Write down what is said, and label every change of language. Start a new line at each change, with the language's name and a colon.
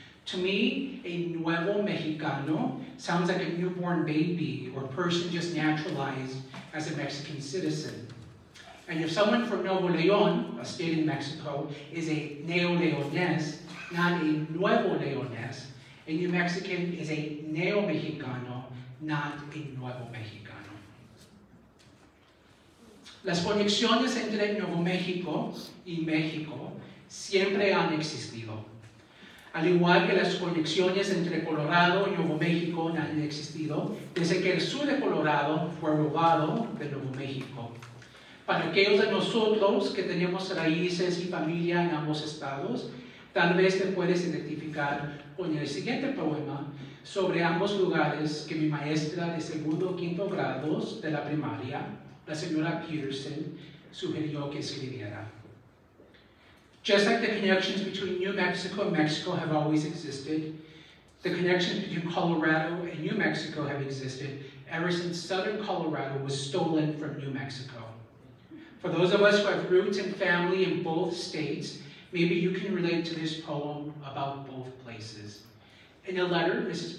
English: To me, a Nuevo Mexicano sounds like a newborn baby or person just naturalized as a Mexican citizen. And if someone from Nuevo León, a state in Mexico, is a Neo-Leones, not a Nuevo Leones, a New Mexican is a Neo-Mexicano, not a Nuevo Mexicano.
Spanish: Las conexiones entre Nuevo México y México siempre han existido. Al igual que las conexiones entre Colorado y Nuevo México han existido desde que el sur de Colorado fue robado de Nuevo México. Para aquellos de nosotros que tenemos raíces y familia en ambos estados, tal vez te puedes identificar con el siguiente poema sobre ambos lugares que mi maestra de segundo o quinto grados de la primaria, la señora Peterson, sugirió que escribiera.
English: Just like the connections between New Mexico and Mexico have always existed, the connections between Colorado and New Mexico have existed ever since Southern Colorado was stolen from New Mexico. For those of us who have roots and family in both states, maybe you can relate to this poem about both places. In a letter, Mrs.